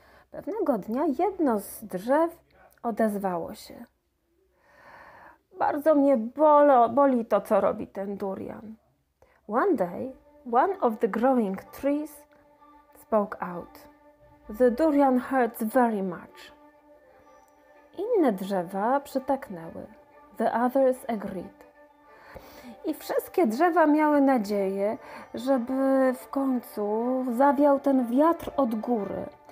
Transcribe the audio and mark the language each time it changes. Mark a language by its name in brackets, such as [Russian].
[Polish] Pewnego dnia jedno z drzew odezwało się. Bardzo mnie boli to, co robi ten durian. [English] One day, one of the growing trees spoke out. The durian hurts very much. [Polish] Inne drzewa przytaknęły. [English] The others agreed. [Polish] I wszystkie drzewa miały nadzieję, żeby w końcu zawiał ten wiatr od góry.